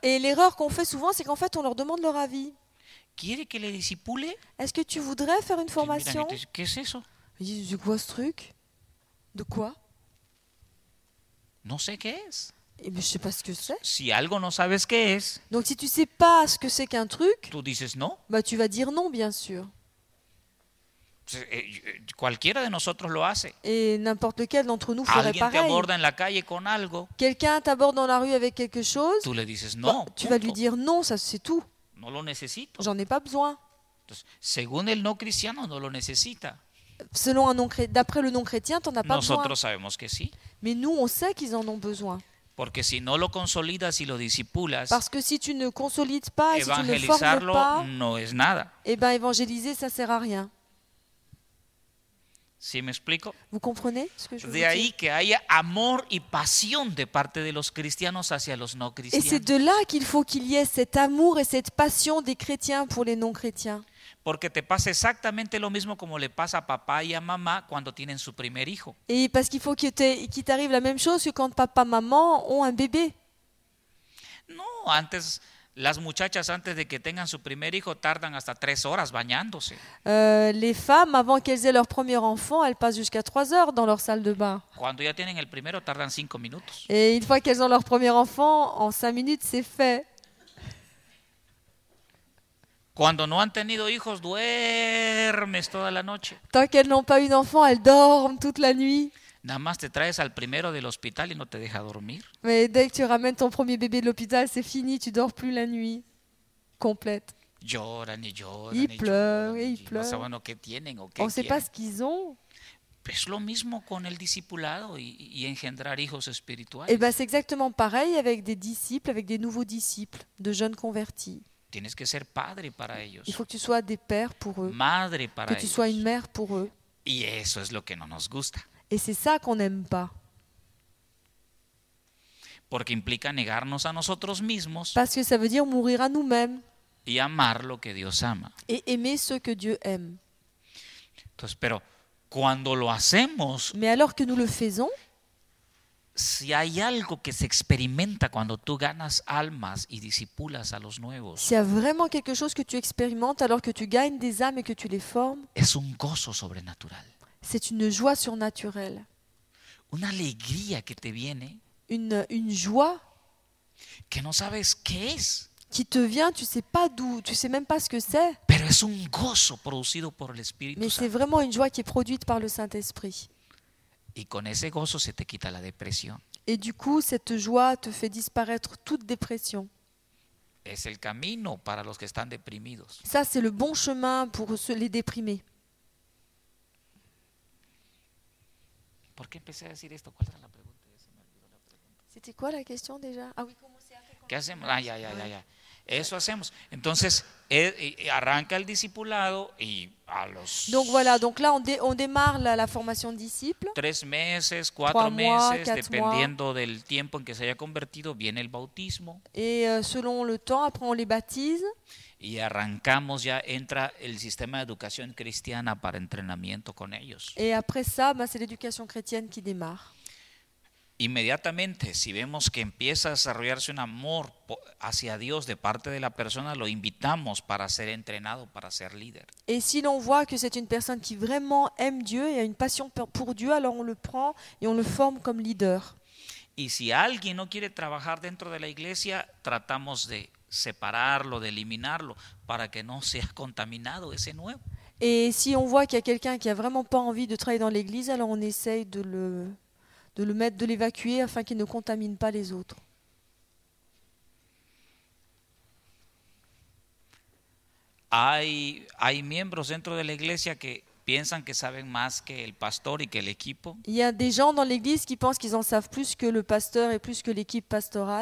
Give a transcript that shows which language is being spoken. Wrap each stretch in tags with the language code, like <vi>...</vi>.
<fr>Et l'erreur qu'on fait souvent, c'est qu'en fait, on leur demande leur avis.</fr> <es>¿Quiere que le discipule?</es> <fr>Est-ce que tu voudrais faire une formation?</fr> <es>¿Qué es eso?</es> <fr>De quoi ce truc? De quoi?</fr> <es>No sé qué es.</es> <fr>Et bien, je sais pas ce que c'est.</fr> <es>Si algo no sabes qué es.</es> <fr>Donc si tu sais pas ce que c'est qu'un truc.</fr> <es>Tú dices no.</es> <fr>Bah tu vas dire non bien sûr.</fr> <es>Cualquiera de nosotros lo hace.</es> <fr>Et n'importe lequel d'entre nous ferait pareil.</fr> <es>Alguien te aborda en la calle con algo.</es> <fr>Quelqu'un t'aborde dans la rue avec quelque chose.</fr> <es>Tú le dices no.</es> <fr>Bah, tu vas lui dire non, ça c'est tout.</fr> <es>No lo necesito.</es> <fr>J'en ai pas besoin.</fr> <es>Entonces, según el no cristiano, no lo necesita.</es> <fr>Selon un non d'après le non chrétien, t'en as pas</fr> <es>nosotros Nosotros sabemos que sí.</es> <fr>Mais nous, on sait qu'ils en ont besoin.</fr> <es>Porque si no lo consolidas y lo discipulas,</es> <fr>parce que si tu ne consolides pas et si tu ne formes pas,</fr> <es>evangelizarlo no es nada.</es> <fr>Eh ben, évangéliser, ça sert à rien.</fr> <es>¿Sí me explico?</es> <fr>Vous comprenez ce que je veux dire?</fr> <es>De ahí que haya amor y pasión de parte de los cristianos hacia los no cristianos.</es> <fr>Et c'est de là qu'il faut qu'il y ait cet amour et cette passion des chrétiens pour les non chrétiens.</fr> <es>Porque te pasa exactamente lo mismo como le pasa a papá y a mamá cuando tienen su primer hijo.</es> <fr>Et parce qu'il faut qu'il t'arrive la même chose que quand papa maman ont un bébé.</fr> <es>No, antes Las muchachas antes de que tengan su primer hijo tardan hasta 3 horas bañándose.</es> <fr>Les femmes avant qu'elles aient leur premier enfant, elles passent jusqu'à 3 heures dans leur salle de bain.</fr> <es>Cuando ya tienen el primero tardan 5 minutos.</es> <fr>Et une fois qu'elles ont leur premier enfant, en 5 minutes c'est fait.</fr> <es>Cuando no han tenido hijos duermes toda la noche.</es> <fr>Tant qu'elles n'ont pas eu d'enfant, elles dorment toute la nuit.</fr> <es>Nada más te traes al primero del hospital y no te deja dormir.</es> <fr>Mais dès que tu ramènes ton premier bébé de l'hôpital, c'est fini, tu dors plus la nuit complète.</fr> <es>Lloran y lloran.</es> <fr>Y pleuran y pleuran.</fr> <es>No saben lo que tienen o qué.</es> <fr>On ne sait pas ce qu'ils ont.</fr> <es>Pues lo mismo con el discipulado y engendrar hijos espirituales.</es> <fr>Et ben c'est exactement pareil avec des disciples, avec des nouveaux disciples, de jeunes convertis.</fr> <es>Tienes que ser padre para ellos.</es> <fr>Il faut que tu sois des pères pour eux.</fr> <es>Madre para ellos.</es> <fr>Que tu sois une mère pour eux.</fr> <es>Y eso es lo que no nos gusta.</es> <fr>Et c'est ça qu'on n'aime pas.</fr> <es>Porque implica negarnos a nosotros mismos.</es> <fr>Parce que ça veut dire mourir à nous-mêmes.</fr> <es>Y amar lo que Dios ama.</es> <fr>Et aimer ce que Dieu aime.</fr> <es>Entonces, pero cuando lo hacemos,</es> <fr>mais alors que nous le faisons,</fr> <es>si hay algo que se experimenta cuando tú ganas almas y discipulas a los nuevos,</es> <fr>s'il y a vraiment quelque chose que tu expérimentes alors que tu gagnes des âmes et que tu les formes,</fr> <es>es un gozo sobrenatural.</es> <fr>C'est une joie surnaturelle.</fr> <es>Una alegría que te viene.</es> <fr>Une joie</fr> <es>que no sabes qué es.</es> <fr>Qui te vient, tu sais pas d'où, tu sais même pas ce que c'est.</fr> <es>Pero es un gozo producido por el Espíritu</es> <fr>Mais</fr> <es>Santo.</es> <fr>C'est vraiment une joie qui est produite par le Saint-Esprit.</fr> <es>Y con ese gozo se te quita la depresión.</es> <fr>Et du coup, cette joie te fait disparaître toute dépression.</fr> <es>Es el camino para los que están deprimidos.</es> <fr>Ça, c'est le bon chemin pour les déprimés.</fr> <es>¿Por qué empecé a decir esto? ¿Cuál era la pregunta?</es> <fr>C'était quoi la question déjà? Ah oui, comment c'est</fr> <es>¿Qué hacemos? Ah, ya. Eso hacemos. Entonces, arranca el discipulado y a los...</es> <fr>Donc voilà, donc là on démarre la formation disciple.</fr> <es>3 meses, 4 meses, dependiendo del tiempo en que se haya convertido, viene el bautismo.</es> <fr>Et selon le temps, après on les baptise.</fr> <es>Y arrancamos, ya entra el sistema de educación cristiana para entrenamiento con ellos.</es> <fr>Et après ça, bah, c'est l'éducation chrétienne qui démarre.</fr> <es>Inmediatamente, si vemos que empieza a desarrollarse un amor hacia Dios de parte de la persona, lo invitamos para ser entrenado, para ser líder.</es> <fr>Et si l'on voit que c'est une personne qui vraiment aime Dieu et a une passion pour Dieu, alors on le prend et on le forme comme leader.</fr> <es>Y si alguien no quiere trabajar dentro de la iglesia, tratamos de separarlo, de eliminarlo, para que no sea contaminado ese nuevo.</es> <fr>Et si on voit qu'il y a quelqu'un qui a vraiment pas envie de travailler dans l'église, alors on essaye de l'évacuer afin qu'il ne contamine pas les autres.</fr> <es>Hay miembros dentro de la iglesia que piensan que saben más que el pastor y que el equipo.</es> <fr>Il y a des gens dans l'église qui pensent qu'ils en savent plus que le pasteur et plus que l'équipe pastorale.</fr>